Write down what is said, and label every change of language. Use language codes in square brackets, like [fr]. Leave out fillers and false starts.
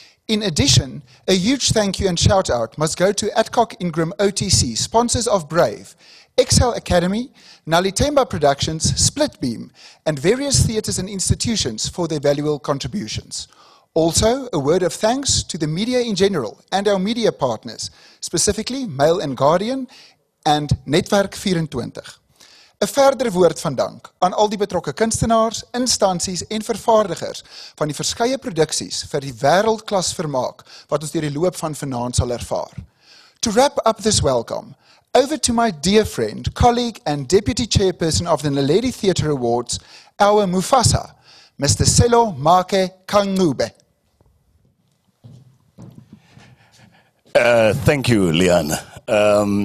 [en] In addition, a huge thank you and shout out must go to Adcock Ingram OTC, sponsors of Brave, Exhale Academy, Nalitemba Productions, Splitbeam, and various theatres and institutions for their valuable contributions. Also, a word of thanks to the media in general and our media partners, specifically Mail and Guardian and Netwerk 24. A further word [af] van dank aan al die betrokke kunstenaars, instansies en vervaardigers van die verskeie produksies vir die wêreldklas vermaak wat ons deur die loop van vanaand sal ervaar. [en] To wrap up this welcome, over to my dear friend, colleague and deputy chairperson of the Naledi Theatre Awards, our Mufasa, Mr. Selo Make Kangube. Thank you, Leanne.